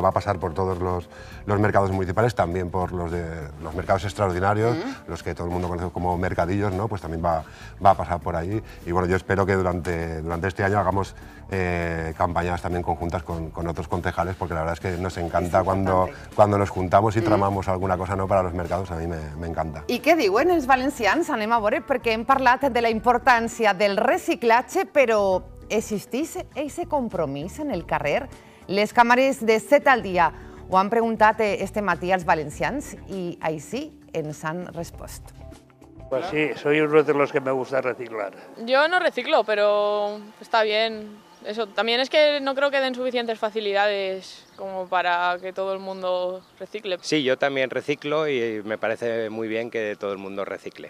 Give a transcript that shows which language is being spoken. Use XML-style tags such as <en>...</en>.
<es>Va a pasar por todos los mercados municipales, también por los mercados extraordinarios, los que todo el mundo conoce como mercadillos, ¿no? Pues también va a pasar por ahí. Y bueno, yo espero que durante este año hagamos campañas también conjuntas con otros concejales, porque la verdad es que nos encanta cuando nos juntamos y tramamos alguna cosa, ¿no?, para los mercados. A mí me encanta. ¿Y qué digo en</es> <ca>els valencians? Anem a veure, perquè hem parlat de la importància del reciclatge, però existeix aquest compromís en el carrer? Les càmeres de Set al Dia ho han preguntat este matí als valencians i així ens han respost.</ca> <es>Pues sí, soy uno de los que me gusta reciclar. Yo no reciclo, pero está bien. Eso también es que no creo que den suficientes facilidades como para que todo el mundo recicle. Sí, yo también reciclo y me parece muy bien que todo el mundo recicle.</es>